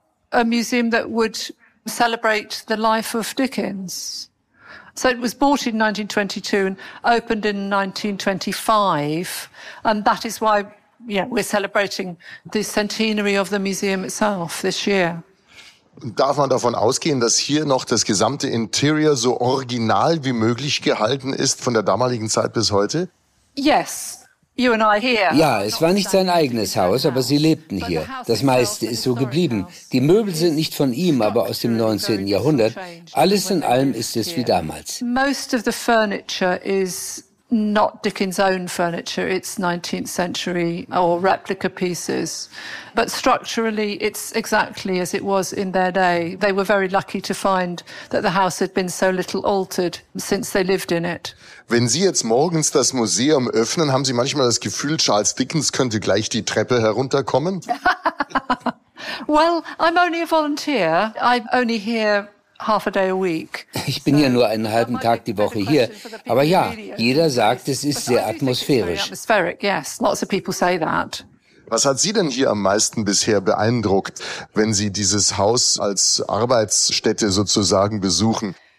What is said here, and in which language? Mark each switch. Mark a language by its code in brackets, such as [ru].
[en] A museum that would celebrate the life of Dickens. So it was bought in 1922 and opened in 1925. And that is why, yeah, we're celebrating the centenary of the museum itself this year. [de] Darf man davon ausgehen, dass hier noch das gesamte Interior so original wie möglich gehalten ist von der damaligen Zeit bis heute? [en] Yes. You and I here. [de] Ja, es war nicht sein eigenes Haus, aber sie lebten hier. Das meiste ist so geblieben. Die Möbel sind nicht von ihm, aber aus dem 19. Jahrhundert. Alles in allem ist es wie damals. [en] Most of the furniture is not Dickens' own furniture. It's 19th century or replica pieces. But structurally, it's exactly as it was in their day. They were very lucky to find that the house had been so little altered since they lived in it. [de] Wenn Sie jetzt morgens das Museum öffnen, haben Sie manchmal das Gefühl, Charles Dickens könnte gleich die Treppe herunterkommen? [en] Well, I'm only a volunteer. I'm only here half a day a week. [de] Ich bin hier nur einen halben Tag die Woche hier. Aber ja, jeder sagt, es ist sehr atmosphärisch. [en] Yes, lots of people say that. [de] Was hat Sie denn hier am meisten bisher beeindruckt, wenn Sie dieses Haus als Arbeitsstätte sozusagen besuchen?